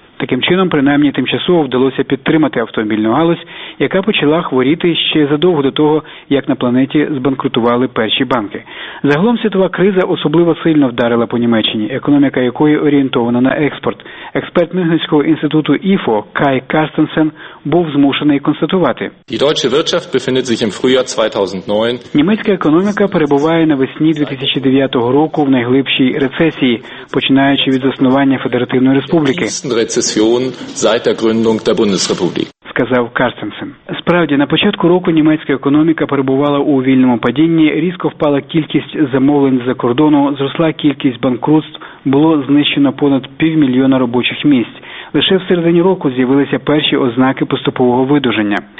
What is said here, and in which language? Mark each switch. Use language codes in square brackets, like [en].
[uk] Таким чином, принаймні, тимчасово вдалося підтримати автомобільну галузь, яка почала хворіти ще задовго до того, як на планеті збанкрутували перші банки. Загалом світова криза особливо сильно вдарила по Німеччині, економіка якої орієнтована на експорт. Експерт Мюнхенського інституту IFO Кай Карстенсен був змушений констатувати. [de] Die deutsche Wirtschaft befindet sich im Frühjahr 2009. [uk] Німецька економіка перебуває навесні 2009 року в найглибшій рецесії, починаючи від заснування Федеративної Республіки. [de] Seit der Gründung der Bundesrepublik. [uk] Сказав Карстенсен. Справді, на початку року німецька економіка перебувала у вільному падінні, різко впала кількість замовлень з-за кордону, зросла кількість банкрутств, було знищено понад півмільйона робочих місць. Лише в середині року з'явилися перші ознаки поступового видуження.